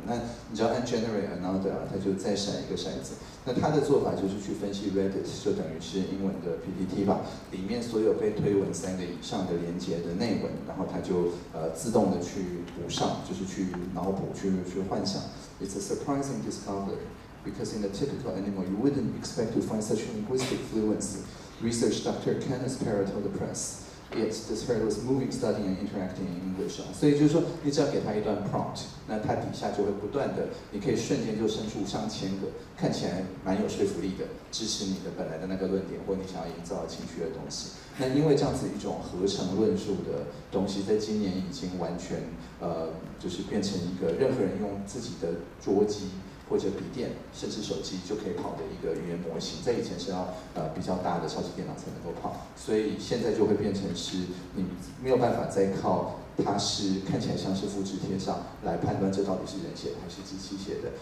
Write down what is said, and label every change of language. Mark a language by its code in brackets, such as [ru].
[zh] 那你只要按 generate another， 它就再闪一个骰子。那它的做法就是去分析 Reddit， 就等于是英文的 PTT 吧，里面所有被推文三个以上的连接的内文，然后它就自动的去补上，就是去脑补去幻想。 [en] It's a surprising discovery because in a typical animal you wouldn't expect to find such linguistic fluency. Research Dr. Kenneth Perra told the press. Yet this herd was moving, studying, and interacting in English. [zh] 所以就是说，你只要给他一段 prompt， 那他底下就会不断的，你可以瞬间就生出上千个看起来蛮有说服力的，支持你的本来的那个论点或你想要营造的情绪的东西。那因为这样子一种合成论述的东西，在今年已经完全就是变成一个任何人用自己的桌机或者笔电甚至手机就可以跑的一个语言模型，在以前是要比较大的超级电脑才能够跑，所以现在就会变成是你没有办法再靠它是看起来像是复制贴上来判断这到底是人写的还是机器写的。